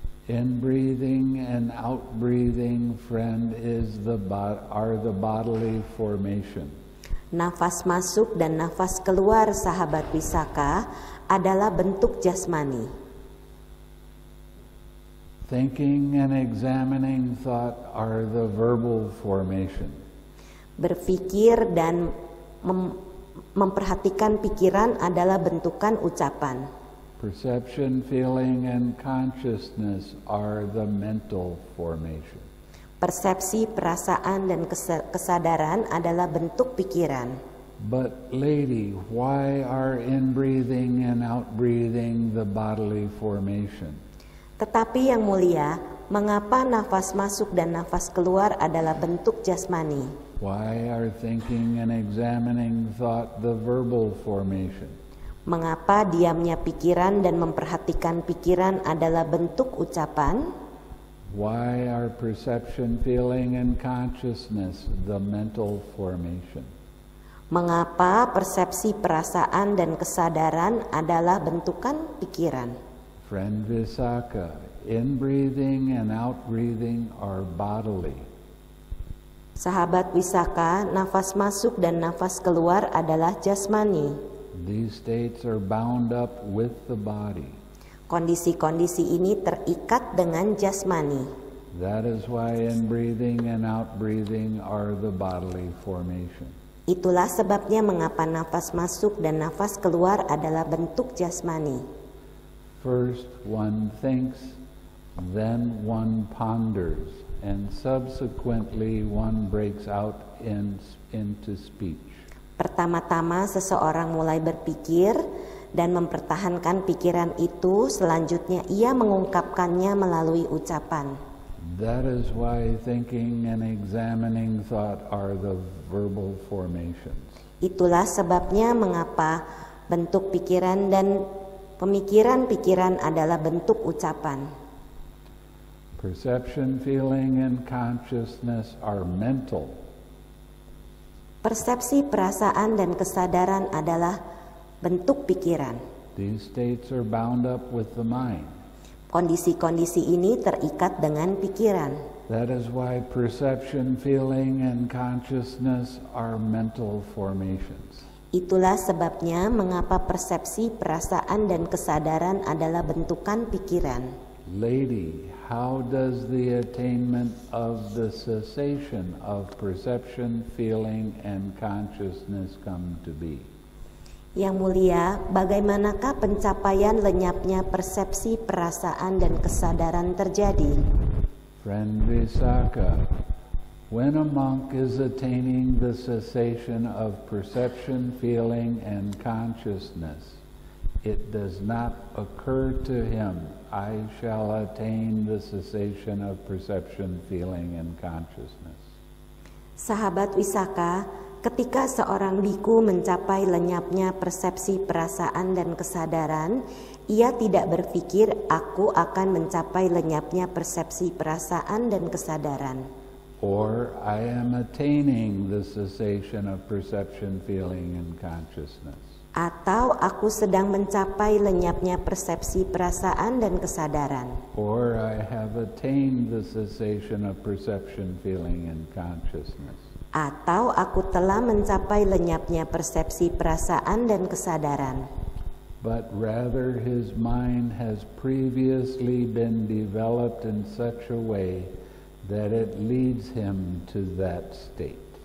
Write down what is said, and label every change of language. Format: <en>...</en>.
<en>In breathing and out breathing, friend, are the bodily formation.</en> <id>Nafas masuk dan nafas keluar, sahabat Visakha, adalah bentuk jasmani.</id> <en>Thinking and examining thought are the verbal formation.</en> <id>Berpikir dan memperhatikan pikiran adalah bentukan ucapan.</id> <en>Perception, feeling, and consciousness are the mental formation.</en> <id>Persepsi, perasaan, dan kesadaran adalah bentuk pikiran.</id> <en>But lady, why are in breathing and out breathing the bodily formation?</en> <id>Tetapi yang mulia, mengapa nafas masuk dan nafas keluar adalah bentuk jasmani?</id> <en>Why are thinking and examining thought the verbal formation?</en> <id>Mengapa diamnya pikiran dan memperhatikan pikiran adalah bentuk ucapan?</id> <en>Why are perception, feeling, and consciousness the mental formation?</en> <id>Mengapa persepsi, perasaan, dan kesadaran adalah bentukan pikiran?</id> <en>Friend Visakha, in breathing and out breathing are bodily.</en> <id>Sahabat Visakha, nafas masuk dan nafas keluar adalah jasmani.</id> <en>These states are bound up with the body.</en> <id>Kondisi-kondisi ini terikat dengan jasmani.</id> <en>That is why in breathing and out breathing are the bodily formation.</en> <id>Itulah sebabnya mengapa nafas masuk dan nafas keluar adalah bentuk jasmani.</id> <en>First one thinks, then one ponders, and subsequently one breaks out into speech.</en> <id>Pertama-tama seseorang mulai berpikir dan mempertahankan pikiran itu, selanjutnya ia mengungkapkannya melalui ucapan.</id> <en>That is why thinking and examining thought are the verbal formations.</en> <id>Itulah sebabnya mengapa bentuk pikiran dan pemikiran-pikiran adalah bentuk ucapan.</id> <en>Perception, feeling, and consciousness are mental.</en> <id>Persepsi, perasaan, dan kesadaran adalah bentuk pikiran.</id> <en>These states are bound up with the mind.</en> <id>Kondisi-kondisi ini terikat dengan pikiran.</id> <en>That is why perception, feeling, and consciousness are mental formations.</en> <id>Itulah sebabnya mengapa persepsi, perasaan, dan kesadaran adalah bentukan pikiran.</id> <en>Lady, how does the attainment of the cessation of perception, feeling, and consciousness come to be?</en> <id>Yang mulia, bagaimanakah pencapaian lenyapnya persepsi, perasaan, dan kesadaran terjadi?</id> <en>Friend Visakha, when a monk is attaining the cessation of perception, feeling, and consciousness, it does not occur to him, I shall attain the cessation of perception, feeling, and consciousness.</en> <id>Sahabat Visakha, ketika seorang biku mencapai lenyapnya persepsi, perasaan, dan kesadaran, ia tidak berpikir, aku akan mencapai lenyapnya persepsi, perasaan, dan kesadaran.</id> <en>Or, I am attaining the cessation of perception, feeling, and consciousness.</en> <id>Atau aku sedang mencapai lenyapnya persepsi, perasaan, dan kesadaran.</id> <en>Or I have attained the cessation of perception, feeling, and consciousness.</en> <id>Atau aku telah mencapai lenyapnya persepsi, perasaan, dan kesadaran.</id> <en>but rather his mind has previously been developed in such a way that it leads him to that state.</en>